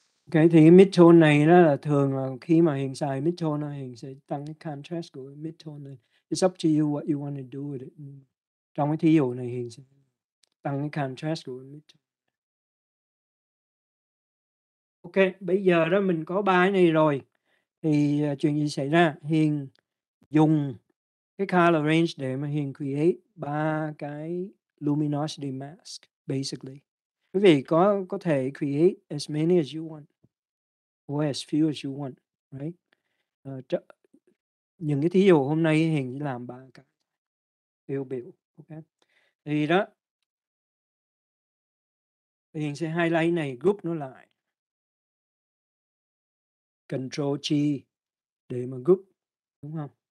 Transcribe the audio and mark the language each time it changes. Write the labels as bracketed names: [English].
[Vietnamese] Cái Mitchell này đó là thường là khi mà hiện xài Mitchell nó hiện sẽ tăng cái contrast của Mitchell này. [English] It's up to you what you want to do with it. [Vietnamese] Trong cái thí dụ này hiện sẽ tăng cái contrast của mình. Ok, bây giờ đó mình có bài này rồi. Thì chuyện gì xảy ra? Hiền dùng cái color range để mà Hiền create ba cái luminosity mask, basically. Quý vị có thể [English] create as many as you want or as few as you want, right? [Vietnamese] Những cái thí dụ hôm nay Hiền làm ba cái tiêu biểu. Ok. Thì đó, Hiền sẽ highlight này, group nó lại. Control G để mà group. Đúng không?